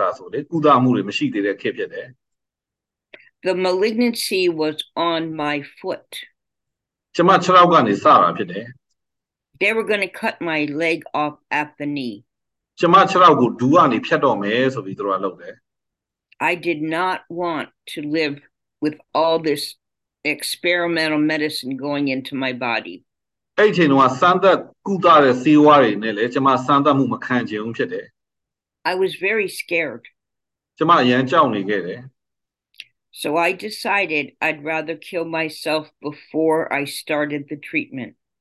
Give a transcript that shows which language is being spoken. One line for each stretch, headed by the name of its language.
Burmese: အဲ့ရအဲ့ခေတ်ကမှာတကယ်ကိုဘလို့ကူရမှန်းမသိဘူးရေဘာကင်ဆာဆိုလေကုသမှုတွေမရှိသေးတဲ့ခေတ်ဖြစ်တယ်.
English: The malignancy was on my foot.
Burmese: ကျွန်မခြေထောက်ကနေစတာဖြစ်တယ်.
English: They were going to cut my leg off at the knee.
Burmese: ကျွန်မခြေထောက်ကိုဒူးကနေဖြတ်တော့မယ်ဆိုပြီးသူတို့ကလုပ်တယ်.
English: I did not want to live with all this experimental medicine going into my body.
Burmese: အဲ့ဒီတော့စမ်းသပ်ကုသတဲ့ဆေးဝါးတွေနဲ့လည်းကျွန်မစမ်းသပ်မှုမခံချင်ဘူးဖြစ်တယ်.
English: I was very scared.
Burmese: ကျွန်မအရန်ကြောက်နေခဲ့တယ်.
English: So I decided I'd rather kill myself before I started the treatment.